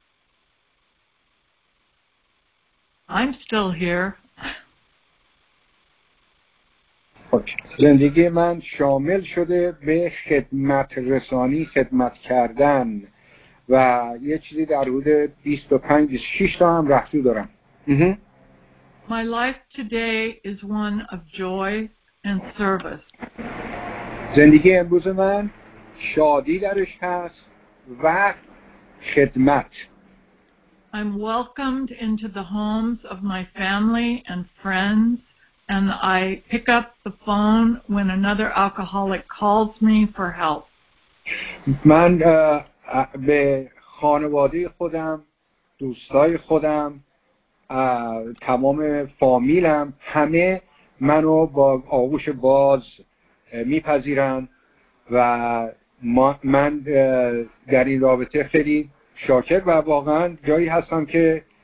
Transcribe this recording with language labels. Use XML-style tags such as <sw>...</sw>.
<en>Oh boy. I'm still here.</en> <fa>زندگی من شامل شده به خدمت رسانی، خدمت کردن و یه چیزی در حدود 25-26 تا هم رفتو دارم.</fa> <en>My life today is one of joy and service.</en> <fa>زندگی امروز من شادی درش هست و خدمت.</fa> <en>I'm welcomed into the homes of my family and friends, and I pick up the phone when another alcoholic calls me for help.</en> <fa>من به خانواده خودم، دوستای خودم، تمام فامیلم، همه منو با آغوش باز میپذیرن و من در این رابطه خیلی شاکر و واقعا جایی هستم که</fa>